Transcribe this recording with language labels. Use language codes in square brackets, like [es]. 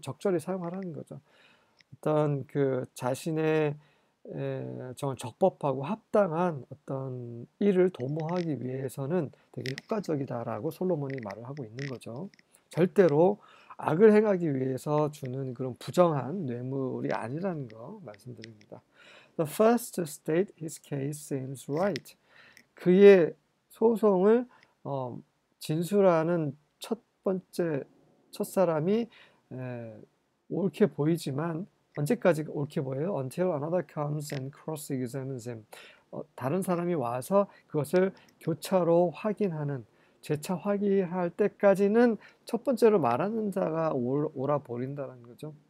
[ko] 적절히 사용하라는 거죠. 어떤 그 자신의 정말 적법하고 합당한 어떤 일을 도모하기 위해서는 되게 효과적이다라고 솔로몬이 말을 하고 있는 거죠. 절대로 악을 행하기 위해서 주는 그런 부정한 뇌물이 아니라는 거 말씀드립니다. [en] The first to state his case seems right. [ko] 그의 소송을 진술하는 첫 사람이 옳게 보이지만 언제까지 옳게 보여요? [en] Until another comes and cross-examines him. [ko] 다른 사람이 와서 그것을 교차로 확인하는 재차 확인할 때까지는 첫 번째로 말하는 자가 옳아 보인다는 거죠.